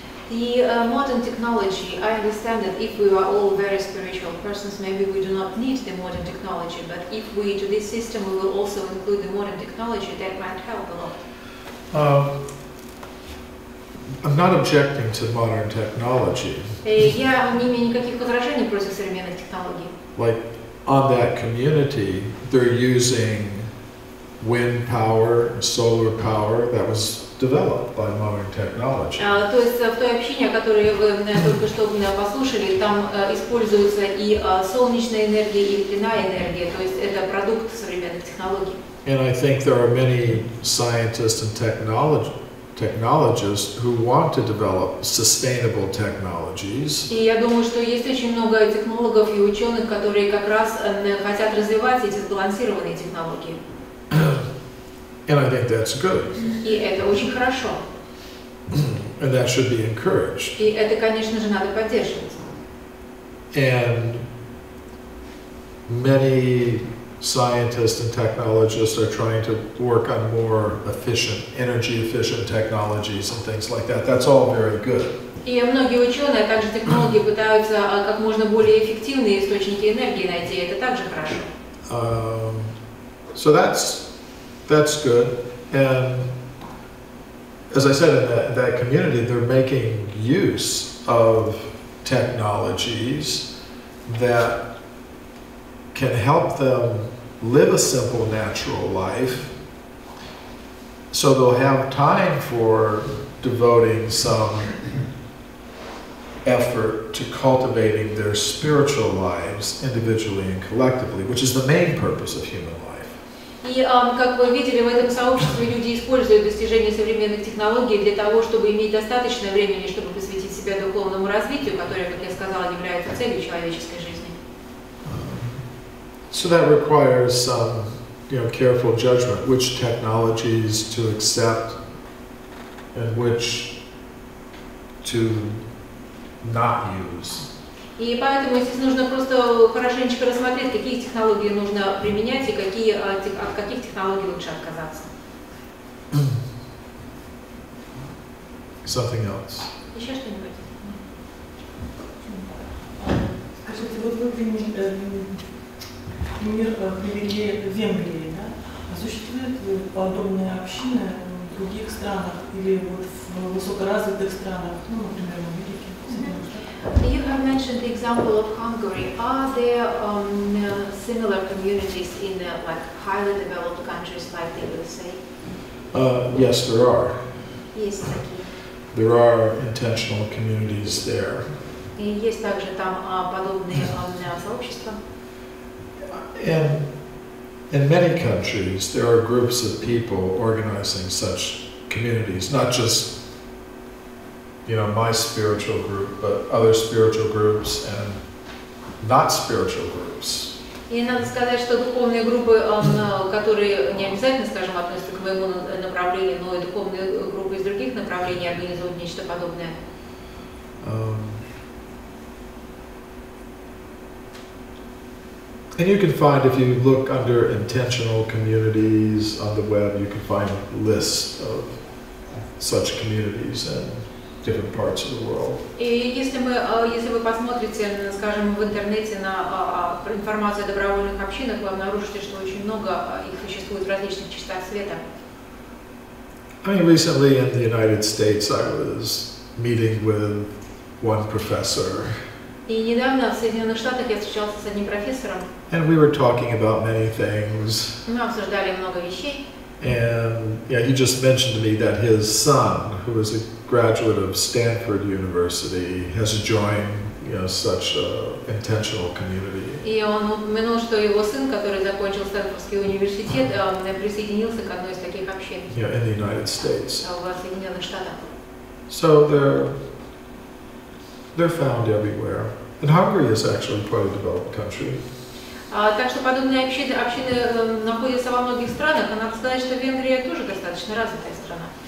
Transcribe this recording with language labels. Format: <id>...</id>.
<en>The modern technology, I understand that if we are all very spiritual persons, maybe we do not need the modern technology, but if we do this system, we will also include the modern technology, that might help a lot. I'm not objecting to modern technology.</en> <ru>Я не имею никаких возражений против современных технологий.</ru> <en>Like, on that community, they're using wind power, solar power, that was developed by modern technology.</en> <ru>То есть в той общине, о которой вы только что послушали, там используется и солнечная энергия, и ветряная энергия, то есть это продукт современных технологий.</ru> <en>And I think there are many scientists and technologists who want to develop sustainable technologies.</en> <ru>И я думаю, что есть очень много технологов и ученых, которые как раз хотят развивать эти сбалансированные технологии.</ru> <en>And I think that's good.</en> <ru>И это очень хорошо.</ru> <en>And that should be encouraged.</en> <ru>И это, конечно же, надо поддерживать.</ru> <en>And many scientists and technologists are trying to work on more efficient, energy-efficient technologies and things like that. That's all very good.</en> <ru>И многие ученые, а также технологи, пытаются как можно более эффективные источники энергии найти. Это также хорошо.</ru> <en>So that's good. And as I said, in that community, they're making use of technologies that can help them live a simple, natural life, so they'll have time for devoting some effort to cultivating their spiritual lives individually and collectively, which is the main purpose of human life.</en> <ru>И как вы видели, в этом сообществе люди используют достижения современных технологий для того, чтобы иметь достаточно времени, чтобы посвятить себя духовному развитию, которое, как я сказала, является целью человеческой жизни.</ru> <en>So that requires some, careful judgment, which technologies to accept and which to not use.</en> <ru>И поэтому здесь нужно просто хорошенечко рассмотреть, какие технологии нужно применять и от каких технологий лучше отказаться.</ru> <en>something else.</en> <ru>Скажите, вот вы пример привели Венгрии, да? А существует ли подобная община в других странах или вот в высокоразвитых странах, ну, например, в Америке?</ru> <en>You have mentioned the example of Hungary. Are there similar communities in like highly developed countries like the USA? Yes, there are. Yes, thank you. There are intentional communities there.</en> <ru>Есть также там подобные сообщества.</ru> <en>In many countries, there are groups of people organizing such communities, not just, you know, my spiritual group, but other spiritual groups and not spiritual groups.</en> <ru>И надо сказать, что духовные группы, которые не обязательно, скажем, относятся к моему направлению, но и духовные группы из других направлений организуют нечто подобное.</ru> <en>And you can find, if you look under intentional communities on the web, you can find lists of such communities in different parts of the world.</en> <ru>И если вы посмотрите, скажем, в интернете на информацию о добровольных общинах, вы обнаружите, что очень много их существует в различных частях света.</ru> <en>I mean, recently in the United States, I was meeting with one professor.</en> <ru>И недавно в Соединенных Штатах я встречался с одним профессором.</ru> <en>And we were talking about many things.</en> <ru>Мы обсуждали много вещей.</ru> <en>And yeah, he just mentioned to me that his son, who is a graduate of Stanford University, has joined, you know, such an intentional community.</en> <ru>И он упомянул, что его сын, который закончил Стэнфордский университет, присоединился к одной из таких общин.</ru> <en>Yeah, in the United States.</en> <ru>В Соединенных Штатах.</ru> <en>So they're found everywhere. And Hungary is actually quite a developed country.</en> <ru>Так что подобные общины находятся во многих странах, а надо сказать, что Венгрия тоже достаточно развитая страна.</ru>